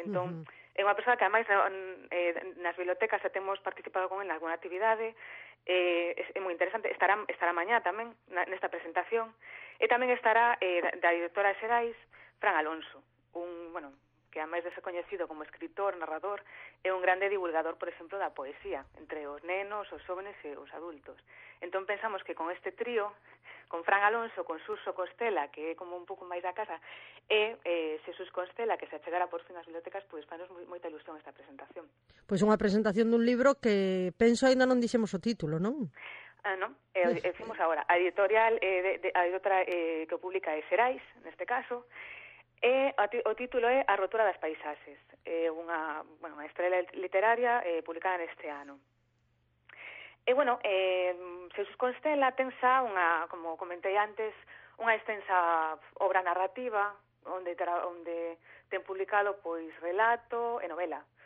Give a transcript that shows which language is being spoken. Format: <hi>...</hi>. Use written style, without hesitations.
<gl>Entón, é unha persoa que, ademais, nas bibliotecas xa temos participado con en alguna actividade, é moi interesante, estará mañá tamén nesta presentación, e tamén estará da directora de Xerais, Fran Alonso, bueno,</gl> <es>que además de ser conocido como escritor, narrador, es un grande divulgador, por ejemplo, de la poesía entre los nenos, los jóvenes y los adultos. Entonces pensamos que con este trío, con Fran Alonso, con Suso Constela, que es como un poco más de casa, y Xesús Constela, que se achegara por fin a las bibliotecas, pues para nos mucha ilusión esta presentación. Pues una presentación de un libro que, pienso, ainda no dijimos su título, ¿no? No, decimos ahora, a editorial, hay otra que publica es Xerais, en este caso.</es> <gl>E o título é A rotura das paisaxes, unha, bueno, unha estrela literaria publicada neste ano. E, bueno, Xesús Constela ten xa, como comentei antes, unha extensa obra narrativa, onde ten publicado, pois, relato e novela.</gl>